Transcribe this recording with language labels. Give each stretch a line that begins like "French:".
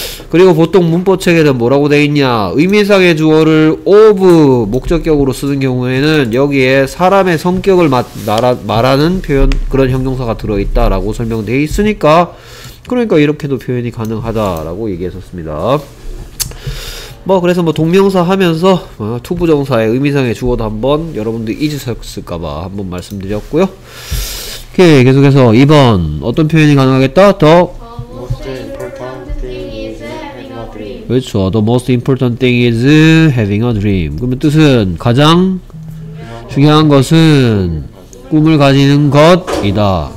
Korean: 그리고 보통 문법책에는 뭐라고 돼 있냐, 의미상의 주어를 of 목적격으로 쓰는 경우에는 여기에 사람의 성격을 말하는 표현 그런 형용사가 들어있다 라고 설명되어 있으니까 그러니까 이렇게도 표현이 가능하다 라고 얘기했었습니다. 뭐 그래서 뭐 동명사 하면서 투부정사의 의미상의 주어도 한번 여러분들 잊으셨을까봐 한번 말씀드렸고요. 오케이, 계속해서 2번 어떤 표현이 가능하겠다?
English: The most important thing is having a dream.
Korean: 그렇죠.
English: The most important thing is having a dream.
Korean: 그러면 뜻은 가장 중요한 것은 꿈을 가지는 것이다.